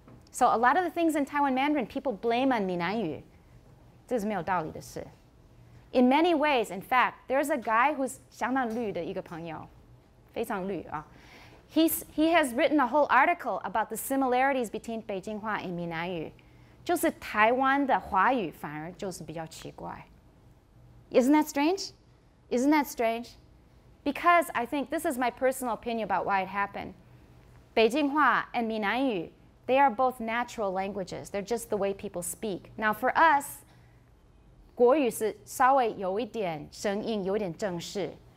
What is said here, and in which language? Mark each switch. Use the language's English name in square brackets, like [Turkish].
[English] So a lot of the things in Taiwan Mandarin, people blame on Minanyu. [Chinese] 这是没有道理的事. [English] In many ways, in fact, there's a guy who's [Chinese] 相当绿的一个朋友, 非常绿啊. [English] He has written a whole article about the similarities between Beijinghua and Minanyu. [Chinese] 就是台湾的华语反而就是比较奇怪. [English] Isn't that strange? Isn't that strange? Because I think this is my personal opinion about why it happened. Beijinghua and Minanyu, they are both natural languages. They're just the way people speak. Now for us, [Chinese] 国语是稍微有一点声音,有一点正式.